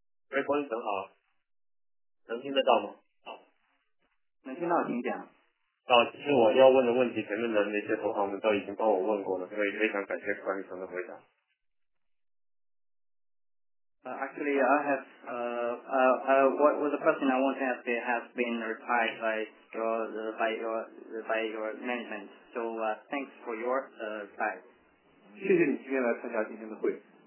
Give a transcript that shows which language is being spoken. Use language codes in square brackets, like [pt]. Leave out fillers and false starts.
[zh] 哎，管理层好，能听得到吗？能听到，请讲。啊，其实我要问的问题，前面的那些同行们都已经帮我问过了，所以非常感谢管理层的回答。 [en] Actually, I have what was the question I want to ask has been replied by your management. So thanks for your reply. [zh] 谢谢你今天来参加今天的会。